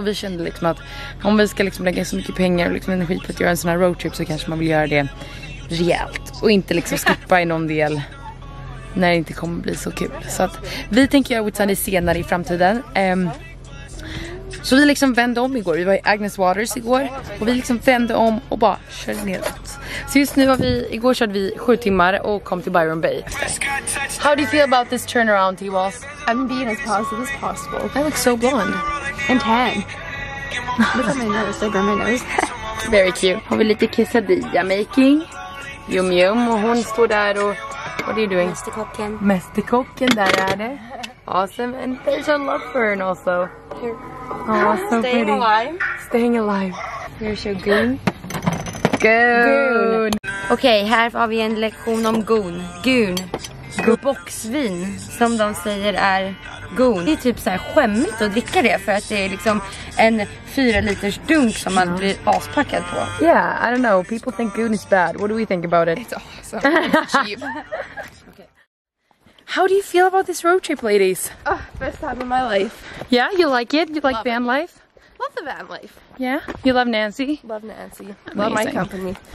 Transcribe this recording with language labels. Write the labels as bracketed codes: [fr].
[sv] Och vi kände liksom att om vi ska liksom lägga så mycket pengar och liksom energi på att göra en sån här roadtrip, så kanske man vill göra det rejält och inte liksom skippa i någon del när det inte kommer bli så kul. Så att vi tänker göra Whitsundi senare i framtiden. Så vi liksom vände om igår. Vi var i Agnes Waters igår och vi liksom vände om och bara körde neråt. Så just nu har vi, igår körde vi 7 timmar och kom till Byron Bay. [en] How do you feel about this turnaround, T-Walls? I'm being as positive as possible. I look so blonde. And tan. Look at my nose, I burn my nose. Very cute. [sv] Har vi lite quesadilla making? Yum yum, och hon står där och, [en] what are you doing? [sv] Mästerkocken. Mästerkocken, där är det. [en] Awesome, and there's a love fern also. Here. Oh, so staying pretty. Alive. Staying alive. Here's your goon. Goon. [sv] Okej, här har vi en lektion om goon. Goon. Boxvin, som de säger är goon. Det är typ så här skämmigt att dricka det, för att det är liksom en 4-liters dunk som man blir aspackad på. [en] Yeah, I don't know. People think goon is bad. What do we think about it? It's awesome. It's cheap. Okay. How do you feel about this road trip, ladies? Oh, best time of my life. Yeah, you like it? You like van life? Love the van life. Yeah? You love Nancy? Love Nancy. Amazing. Love my company.